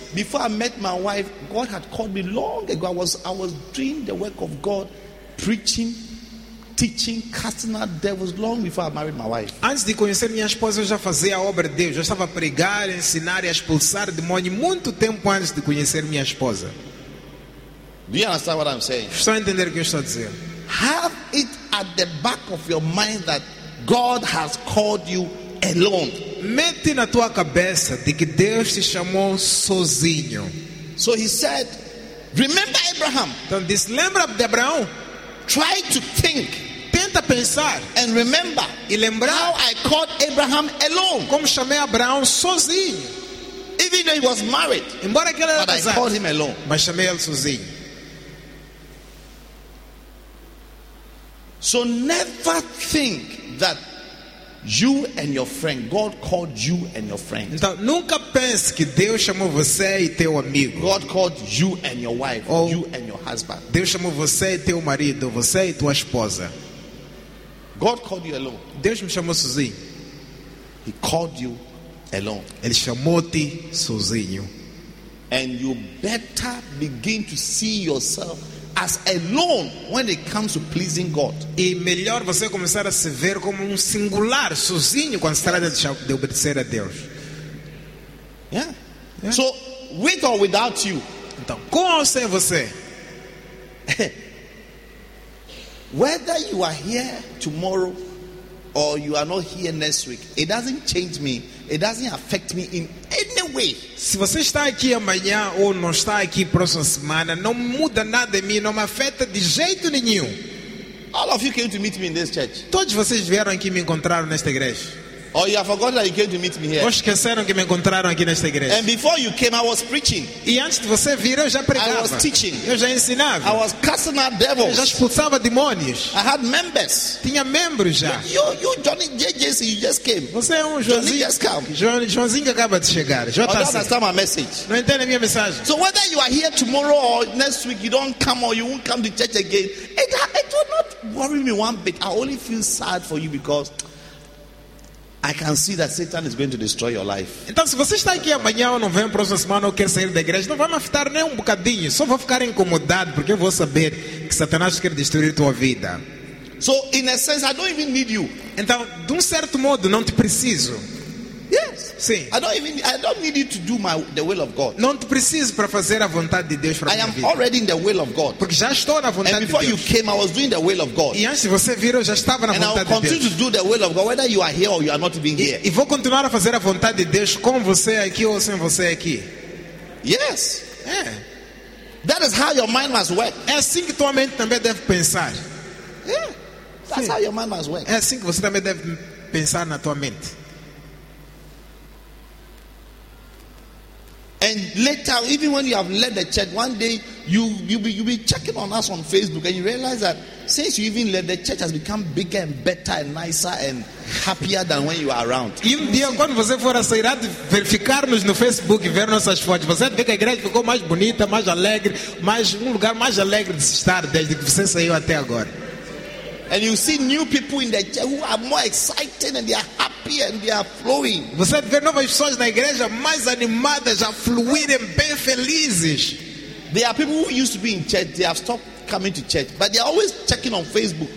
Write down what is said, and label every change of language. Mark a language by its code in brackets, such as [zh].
[en] Before I met my wife, God had called me long ago. I was doing the work of God, preaching, teaching, casting out devils long before I married my wife. [pt] Antes de conhecer minha esposa, eu já fazia a obra de Deus. Eu estava a pregar, ensinar e expulsar demônios muito tempo antes de conhecer minha esposa. [en] Do you understand what I'm saying? [pt] Estão a entender o que eu estou a dizer? [en] Have it at the back of your mind that God has called you alone. [pt] Mete na tua cabeça de que Deus te chamou sozinho. [en] So he said, remember Abraham. [pt] Então disse, lembra de Abraão. [en] Try to think. [pt] Tenta pensar. [en] And remember. [pt] E lembrar. [en] How I called Abraham alone. [pt] Como chamei Abraão sozinho. [en] Even though he was married. [pt] Embora que ele era casado. [en] But I called him alone. [pt] Mas chamei ele sozinho. [en] So never think that you and your friend, God called you and your friend. [pt] Então, nunca pense que Deus chamou você e teu amigo. [en] God called you and your wife, [pt] ou [en] you and your husband. [pt] Deus chamou você e teu marido, você e tua esposa. [en] God called you alone. [pt] Deus me chamou sozinho. [en] He called you alone. [pt] Ele chamou-te sozinho. [en] And you better begin to see yourself as alone when it comes to pleasing God. [pt] E melhor você começar a se ver como singular, sozinho, quando se trata de obedecer a Deus. [en] Yeah. So, with or without you. [pt] Então, com ou sem você. [en] Whether you are here tomorrow or you are not here next week, it doesn't change me. It doesn't affect me in any way. [pt] Se você está aqui amanhã ou não está aqui próxima semana, não muda nada em mim, não me afeta de jeito nenhum. [en] All of you came to meet me in this church. [pt] Todos vocês vieram aqui me encontraram nesta igreja. [en] Oh, you have forgotten that you came to meet me here. [pt] Ou esqueceram que me encontraram aqui nesta igreja. [en] And before you came, I was preaching. [pt] E antes de você vir, eu já pregava. [en] I was teaching. [pt] Eu já ensinava. [en] I was casting out devils. [pt] Eu já expulsava demônios. [en] I had members. [pt] Tinha membros já. [en] You Johnny JJC, you just came. [pt] Você é Joãozinho que acaba de chegar. [en] Oh, don't understand my message. [pt] Não entende a minha mensagem. [en] So whether you are here tomorrow or next week, you don't come or you won't come to church again, it will not worry me one bit. I only feel sad for you because I can see that Satan is going to destroy your life. [pt] Então, se você está aqui amanhã ou não vem próxima semana ou quer sair da igreja, não vai me afetar nem bocadinho. Só vou ficar incomodado porque eu vou saber que Satanás quer destruir tua vida. [en] So, in a sense, I don't even need you. [pt] Então, de certo modo, não te preciso. [en] Yes. [pt] Sim. [en] I don't need you to do the will of God. [pt] Não te preciso para fazer a vontade de Deus para a minha vida. [en] I am already in the will of God. [pt] Porque já estou na vontade de Deus. [en] And before you came, I was doing the will of God. [pt] E antes de você vir, eu já estava na vontade de Deus. [en] And I will continue to do the will of God, whether you are here or you are not even here. [pt] E vou continuar a fazer a vontade de Deus com você aqui ou sem você aqui. [en] Yes. [pt] É. [en] That is how your mind must work. [pt] É assim que tua mente também deve pensar. [en] Yeah. That's how your mind must work. [pt] É assim que você também deve pensar na tua mente. [en] And later, even when you have led the church, one day you be checking on us on Facebook, and you realize that since you even led, the church has become bigger and better and nicer and happier than when you are around. [pt] E um dia, quando você for a sair, verificar-nos no Facebook e ver nossas fotos, você vê que a igreja ficou mais bonita, mais alegre, mais lugar mais alegre de estar desde que você saiu até agora. [en] And you see new people in the church who are more excited and they are happy and they are flowing. [pt] Você vê novas pessoas na igreja mais animadas, a fluir e bem felizes. [en] There are people who used to be in church, they have stopped coming to church, but they are always checking on Facebook.